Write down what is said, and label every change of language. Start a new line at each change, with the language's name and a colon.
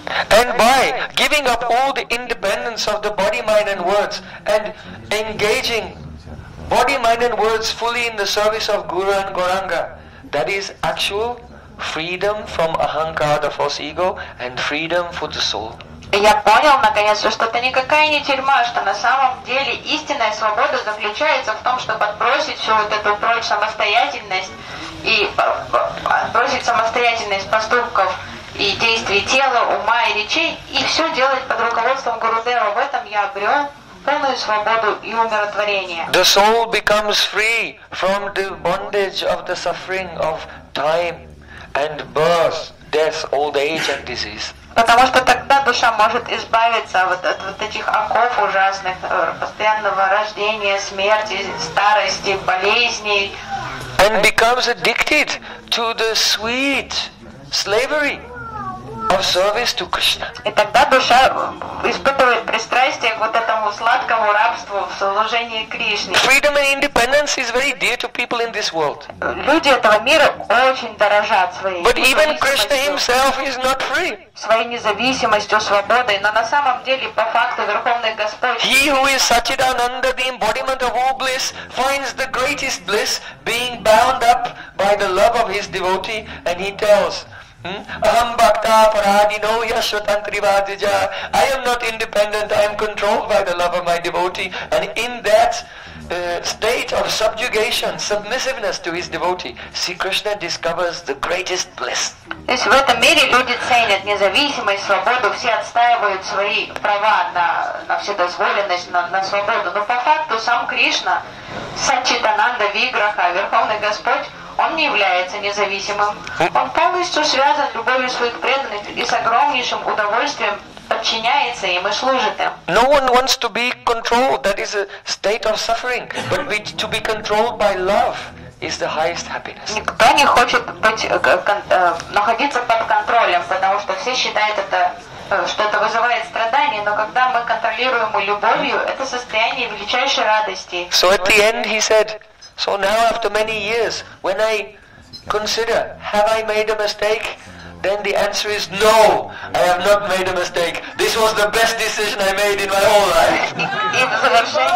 English: And by giving up all the independence of the body, mind and words, and engaging body, mind and words fully in the service of Guru and Gauranga, that is actual freedom from ahankara, the false ego, and freedom for the soul.
Russian: Я понял, наконец-то, что это никакая не тюрьма, что на самом деле истинная свобода заключается в том, чтобы отбросить всю вот эту прочь самостоятельность и отбросить самостоятельность поступков и действий тела, ума и речей, и все делать под руководством Гурудева. В этом я обрел полную свободу и умиротворение.
English: The soul becomes free from the bondage of the suffering of time and birth, death, old age and disease.
Russian: Потому что тогда душа может избавиться от этих оков ужасных, постоянного рождения, смерти, старости, болезней.
English: And becomes addicted to the sweet slavery of service to Krishna.
Russian: И тогда душа испытывает пристрастие к вот этому сладкому рабству в служении Кришне.
English: Freedom and independence is very dear to people in this world.
Russian: Люди этого мира очень дорожат своей.
English: But even Krishna himself is not free.
Russian: Своей независимостью, свободой, но на самом деле по факту Верховный Господь.
English: He who is Satchidananda, the embodiment of all bliss, finds the greatest bliss being bound up by the love of his devotee, and he tells.
Sanskrit: Aham bhakta paradino yashvatantri vajja.
English: I am not independent, I am controlled by the love of my devotee. And in that state of subjugation, submissiveness to his devotee, see Krishna discovers the greatest bliss.
Russian: То есть в этом мире люди ценят независимость, свободу, все отстаивают свои права на вседозволенность, на свободу. Но по факту сам Кришна, Сатчитананда Виграха, Верховный Господь, он не является независимым. Он полностью связан с любовью своих преданных и с огромнейшим удовольствием подчиняется им и служит им.
English: No one wants to be controlled. That is a state of suffering. But to be controlled by love is the highest happiness.
Russian: Никто не хочет находиться под контролем, потому что все считают это, что это вызывает страдания, но когда мы контролируем любовью, это состояние величайшей радости.
English: So at the end he said, so now after many years, when I consider, have I made a mistake? Then the answer is no, I have not made a mistake. This was the best decision I made in my whole life.